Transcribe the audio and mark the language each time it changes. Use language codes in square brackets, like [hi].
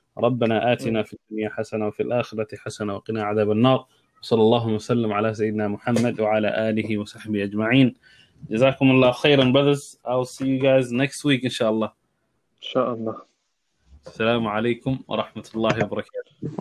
[ar] ربنا آتنا في الدنيا حسنة وفي الآخرة حسنة وقنا عذاب النار صلى الله وسلم على سيدنا محمد وعلى آله وصحبه أجمعين جزاكم الله خيرا brothers. [en] I'll see you guys next week inshallah. [ar] Inshallah. السلام عليكم ورحمة الله وبركاته.